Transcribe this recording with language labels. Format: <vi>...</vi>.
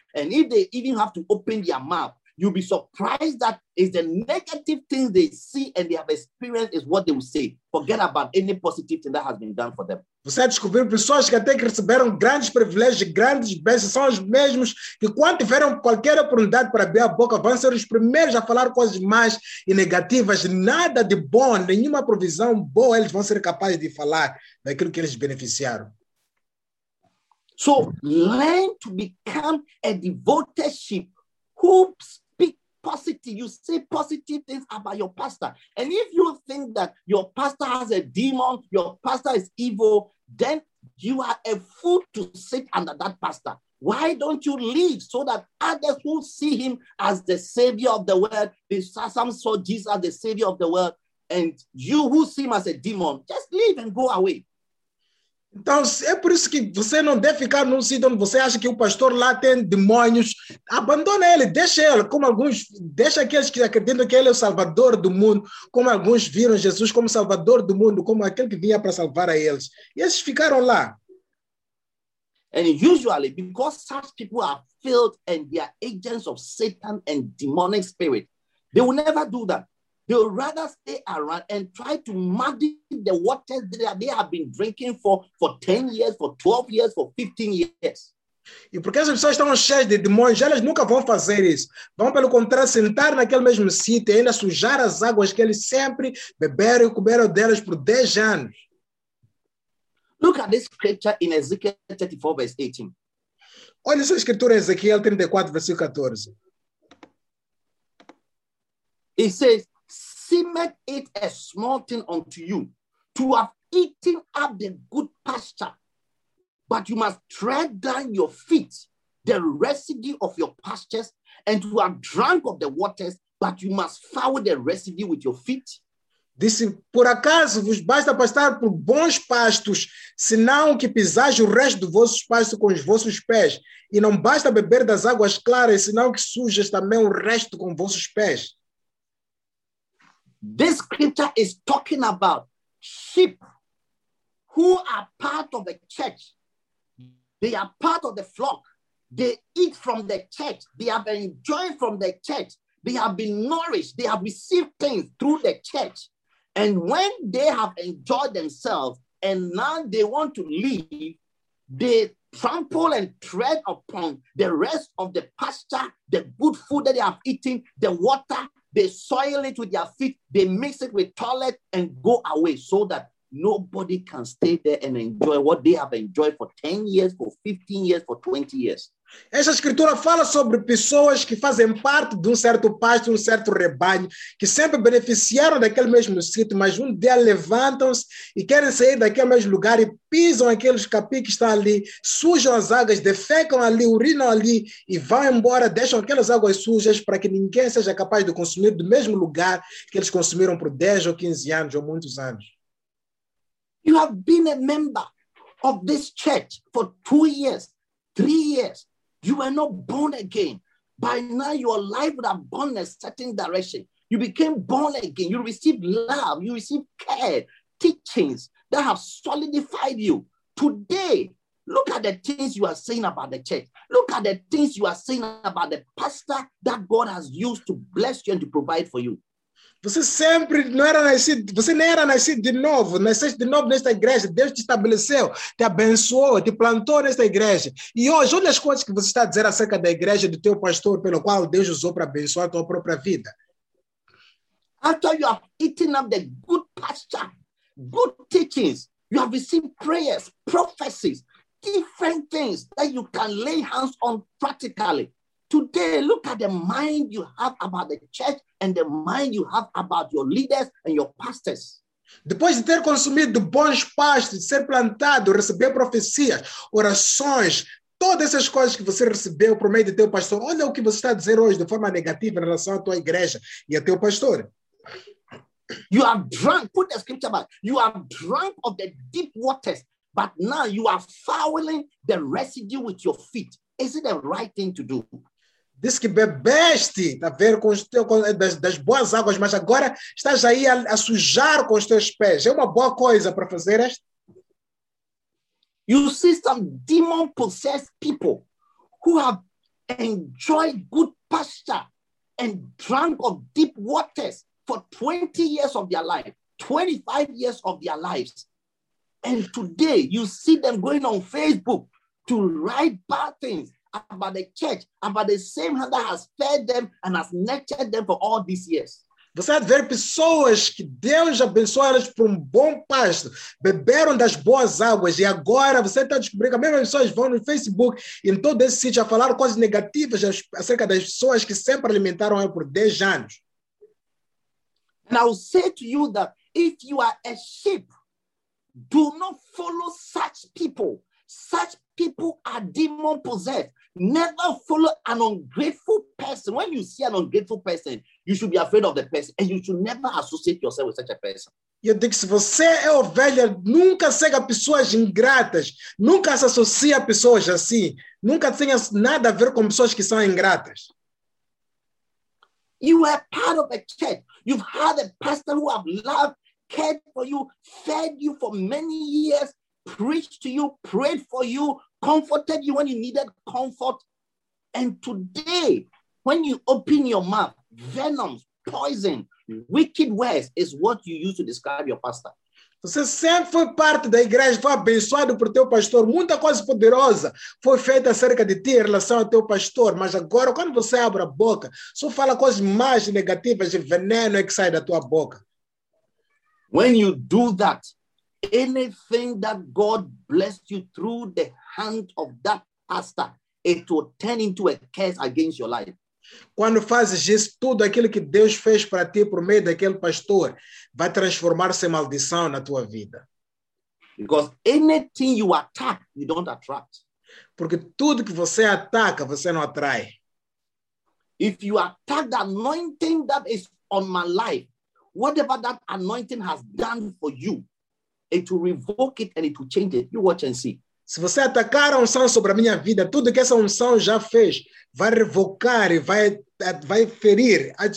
<en>And if they even have to open their mouth, you'll be surprised that it's the negative things they see and they have experienced is what they will say. Forget about any positive thing that has been done for them.</en> <pt>Você descobriu pessoas que até que receberam grandes privilégios, grandes bênçãos, são os mesmos que quando tiveram qualquer oportunidade para abrir a boca, vão ser os primeiros a falar coisas más e negativas. Nada de bom, nenhuma provisão boa, eles vão ser capazes de falar daquilo que eles beneficiaram.</pt> <en>So, learn to become a devoted sheep who speak positive. You say positive things about your pastor. And if you think that your pastor has a demon, your pastor is evil, then you are a fool to sit under that pastor. Why don't you leave so that others who see him as the savior of the world, some saw Jesus as the savior of the world, and you who see him as a demon, just leave and go away.</en> <pt>Então, é por isso que você não deve ficar num sítio onde você acha que o pastor lá tem demônios. Abandona ele, deixa ele, como alguns, deixa aqueles que acreditam que ele é o salvador do mundo, como alguns viram Jesus como salvador do mundo, como aquele que vinha para salvar a eles. E esses ficaram lá.</pt> <en>And usually, because such people are filled and they are agents of Satan and demonic spirit, they will never do that. They would rather stay around and try to muddy the waters that they have been drinking for 10 years, for 12 years, for 15 years.</en> <pt>E porque as pessoas estão cheias de demônios, elas nunca vão fazer isso. Vão, pelo contrário, sentar naquele mesmo sítio e ainda sujar as águas que eles sempre beberam e comeram delas por 10 anos.</pt> <en>Look at this scripture in Ezekiel 34, verse 18.</en> <pt>Olha essa escritura em Ezequiel 34, versículo 14.</pt> <en>It says, seemeth it a small thing unto you to have eaten up the good pasture, but you must tread down your feet the residue of your pastures, and to have drunk of the waters, but you must foul the residue with your feet.</en> <pt>Disse, por acaso vos basta pastar por bons pastos, senão que pisais o resto dos vossos pastos com os vossos pés, e não basta beber das águas claras, senão que sujas também o resto com vossos pés.</pt> <en>This scripture is talking about sheep who are part of the church. They are part of the flock. They eat from the church. They have enjoyed from the church. They have been nourished. They have received things through the church. And when they have enjoyed themselves and now they want to leave, they trample and tread upon the rest of the pasture, the good food that they have eaten, the water. They soil it with their feet, they mix it with toilet and go away so that nobody can stay there and enjoy what they have enjoyed for 10 years, for 15 years, for 20 years.</en> <pt>Essa escritura fala sobre pessoas que fazem parte de um certo pasto, um certo rebanho, que sempre beneficiaram daquele mesmo sítio, mas um dia levantam-se e querem sair daquele mesmo lugar e pisam aqueles capim que estão ali, sujam as águas, defecam ali, urinam ali e vão embora, deixam aquelas águas sujas para que ninguém seja capaz de consumir do mesmo lugar que eles consumiram por 10 ou 15 anos ou muitos anos.</pt> <en>You have been a member of this church for 2 years, 3 years. You were not born again. By now, your life would have gone in a certain direction. You became born again. You received love. You received care, teachings that have solidified you. Today, look at the things you are saying about the church. Look at the things you are saying about the pastor that God has used to bless you and to provide for you.</en> <pt>Você sempre não era nascido, você nem era nascido de novo, nasceste de novo nesta igreja. Deus te estabeleceu, te abençoou, te plantou nesta igreja. E hoje, olha as coisas que você está a dizer acerca da igreja do teu pastor, pelo qual Deus usou para abençoar a tua própria vida.</pt> <en>After you have eaten up the good pasture, good teachings, you have received prayers, prophecies, different things that you can lay hands on practically. Today, look at the mind you have about the church and the mind you have about your leaders and your pastors.</en> <pt>Depois de ter consumido bons pastos, de ser plantado, receber profecias, orações, todas essas coisas que você recebeu por meio do teu pastor, olha o que você está a dizer hoje de forma negativa em relação à tua igreja e ao teu pastor.</pt> <en>You are drunk, put the scripture back. You are drunk of the deep waters, but now you are fouling the residue with your feet. Is it the right thing to do?</en> <pt>Disse que bebeste a ver com os teus, das boas águas, mas agora estás aí a sujar com os teus pés. É uma boa coisa para fazer isto?</pt> <en>You see some demon-possessed people who have enjoyed good pasture and drunk of deep waters for 20 years of their life, 25 years of their lives. And today you see them going on Facebook to write bad things about the church, about the same hand that has fed them and has nurtured them for all these years.</en> <pt>Você vai ver pessoas que Deus abençoou elas por um bom pasto, beberam das boas águas, e agora você está descobrindo que as mesmas pessoas vão no Facebook, em todo esse sítio, a falar coisas negativas acerca das pessoas que sempre alimentaram elas por 10 anos.</pt> <en>And I will say to you that if you are a sheep, do not follow such people. Such people are demon possessed. Never follow an ungrateful person. When you see an ungrateful person, you should be afraid of the person and you should never associate yourself with such a person.</en> <pt>Eu digo, se você é ovelha, nunca segue pessoas ingratas. Nunca se associe a pessoas assim. Nunca tenha nada a ver com pessoas que são ingratas.</pt> <en>You are part of a church. You've had a pastor who have loved, cared for you, fed you for many years, preached to you, prayed for you, comforted you when you needed comfort. And today, when you open your mouth, venom, poison, wicked words is what you use to describe your pastor.</en> <pt>Você sempre foi parte da igreja, foi abençoado por teu pastor. Muita coisa poderosa foi feita acerca de ti em relação ao teu pastor. Mas agora, quando você abre a boca, só fala coisas mais negativas de veneno que sai da tua boca.</pt> <en>When you do that, anything that God blessed you through the hand of that pastor, it will turn into a curse against your life.</en> <pt>Quando fazes isso, tudo aquilo que Deus fez para ti por meio daquele pastor vai transformar-se em maldição na tua vida.</pt> <en>Because anything you attack, you don't attract.</en> <pt>Porque tudo que você ataca, você não atrai.</pt> <en>If you attack the anointing that is on my life, whatever that anointing has done for you, it will revoke it and it will change it. You watch and see.</en> <pt>Se você atacar a unção sobre a minha vida, tudo que essa unção já fez vai revocar e vai ferir.</pt>